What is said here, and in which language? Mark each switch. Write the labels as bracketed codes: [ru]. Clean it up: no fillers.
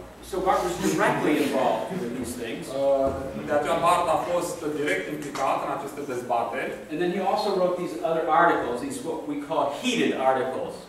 [en] So Bart was directly involved in these things. [ro] De aceea Bart a fost direct implicat în aceste dezbateri. [en] And then he also wrote these other articles, these what we call heated articles.